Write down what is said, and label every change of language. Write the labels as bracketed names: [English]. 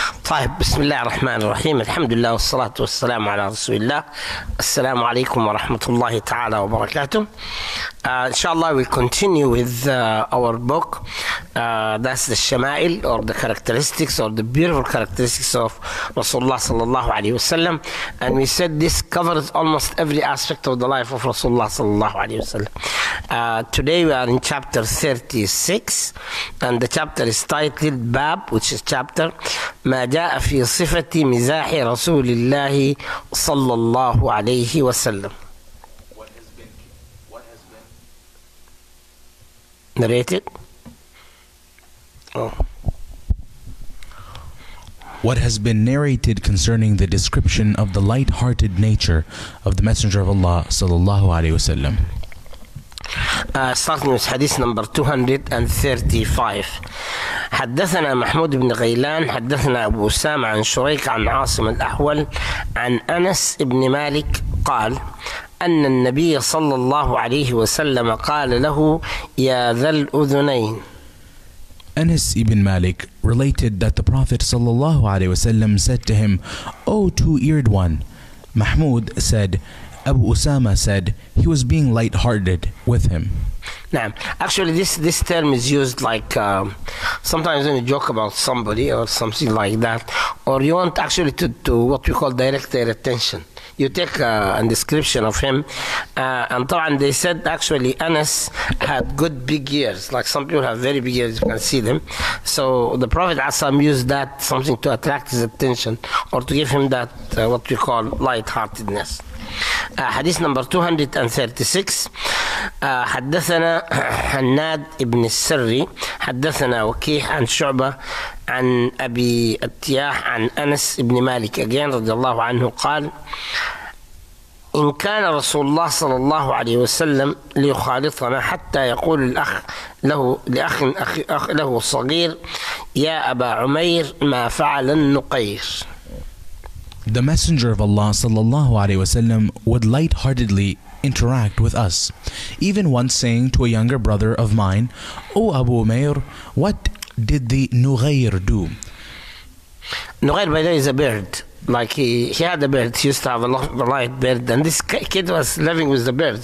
[Arabic] طيب بسم الله الرحمن الرحيم، الحمد لله والصلاة والسلام على رسول الله، السلام عليكم ورحمة الله تعالى وبركاته. إن شاء الله [English] we continue with our book that's the شمائل or the characteristics or the beautiful characteristics of [Arabic] رسول الله صلى الله عليه وسلم. [English] And we said this covers almost every aspect of the life of [Arabic] رسول الله صلى الله عليه وسلم. [English] Today we are in chapter 36 and the chapter is titled باب, which is chapter [Arabic] ما جاء في صفة مزاح رسول الله صلى الله عليه وسلم. [English] Narrated. What has been narrated concerning the description of the light-hearted nature of the Messenger of Allah sallallahu alayhi wa sallam. Starting with hadith number 235. [Arabic] حدثنا محمود بن غيلان حدثنا أبو أسامة عن شريك عن عاصم الأحول عن أنس بن مالك قال أن النبي صلى الله عليه وسلم قال له يا ذا الأذنين. [English] Anas ibn Malik related that the Prophet [Arabic] صلى الله عليه وسلم [English] said to him, O two-eared one. Mahmud said, Abu Usama said, he was being light-hearted with him. Now, actually this term is used like sometimes when you joke about somebody or something like that, or you want actually to what we call direct their attention. You take a description of him, and طبعاً they said actually Anas had good big ears, like some people have very big ears, you can see them. So the Prophet Asam used that something to attract his attention or to give him that what we call lightheartedness. Hadith number 236. [Arabic] حدثنا حناد ابن السري حدثنا وكيح عن شعبة عن أبي التياح عن أنس ابن مالك أجين رضي الله عنه قال إن كان رسول الله صلى الله عليه وسلم ليخالطنا حتى يقول الأخ له لأخ أخ له صغير يا أبا عمير ما فعل النقير. [English] The Messenger of Allah sallallahu alayhi wasallam would lightheartedly interact with us, even once saying to a younger brother of mine, O Abu Umair, what did the Nughayr do? Nughayr, by the way, is a bird. Like he had a bird, he used to have a lot of light bird, and this kid was living with the bird.